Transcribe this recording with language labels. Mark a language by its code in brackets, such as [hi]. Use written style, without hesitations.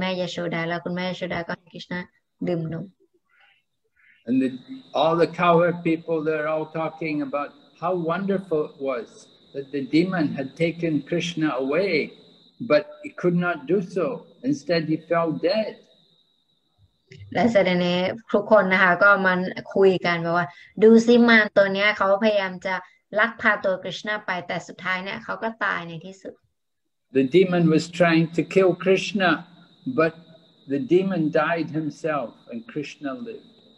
[th] แล้วเขาพวกเขาก็ดีใจมากนะคะที่เห็นคริชนาปลอดภัยแล้วทรงกลับมาอย่างดีนะคะก็เลยอุ้มคริชนาไปให้คุณแม่ยโสดาแล้วคุณแม่ยโสดาก็ให้คริชนาดื่มนม [en] And all the cowherd people, they're all talking about how wonderful it was that the demon had taken Krishna away. But he could not do so. Instead, he fell dead. [th] แล้วแสดงในทุกคนนะคะก็มันคุยกันแบบว่าดูสิมารตัวเนี้ยเขาพยายามจะลักพาตัวคริชนาไปแต่สุดท้ายเนี่ยเขาก็ตายในที่สุด [en] The demon was trying to kill Krishna, but the demon died himself, and Krishna lived.